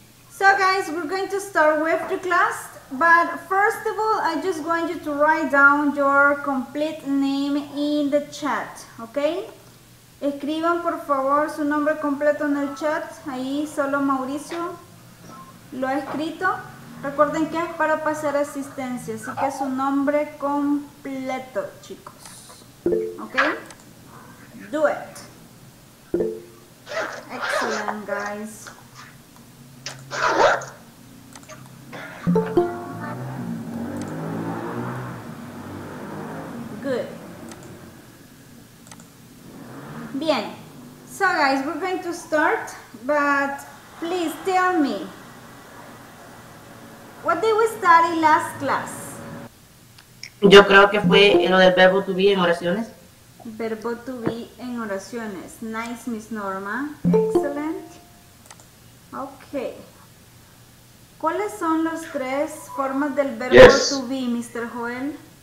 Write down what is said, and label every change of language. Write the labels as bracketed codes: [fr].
[en] So guys, we're going to start with the class, but first of all, I just want you to write down your complete name in the chat, okay? [es] Escriban por favor su nombre completo en el chat. Ahí solo Mauricio lo ha escrito. Recuerden que es para pasar asistencia, así que su nombre completo, chicos. [en] Okay? Do it. Excellent, guys. Good. [es] Bien. [en] So, guys, we're going to start, but please tell me, what did we study last class? [es] Yo creo que fue en lo del verbo to be en oraciones. Verbo to be en oraciones. [en] Nice, Miss Norma. Excellent. Okay. [es] ¿Cuáles son las tres formas del verbo [en] yes. [es] to be, Mr. Joel?